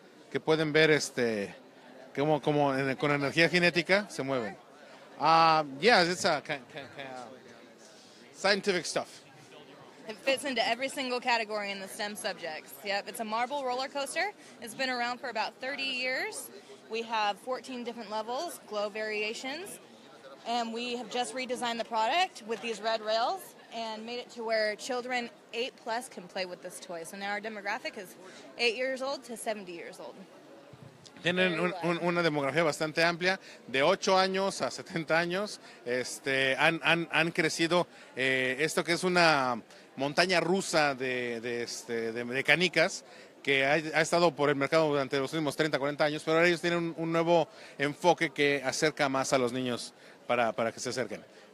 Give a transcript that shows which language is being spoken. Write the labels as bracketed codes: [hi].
[es] Que pueden ver como con energía cinética se mueven. [en] It's a scientific stuff. It fits into every single category in the STEM subjects. Yep, it's a marble roller coaster. It's been around for about 30 years. We have 14 different levels, glow variations, and we have just redesigned the product with these red rails and made it to where children 8+ can play with this toy. So now our demographic is 8 years old to 70 years old. [es] Tienen una demografía bastante amplia, de 8 años a 70 años. Han crecido esto que es una montaña rusa de canicas que ha estado por el mercado durante los últimos 30, 40 años, pero ahora ellos tienen un nuevo enfoque que acerca más a los niños para que se acerquen.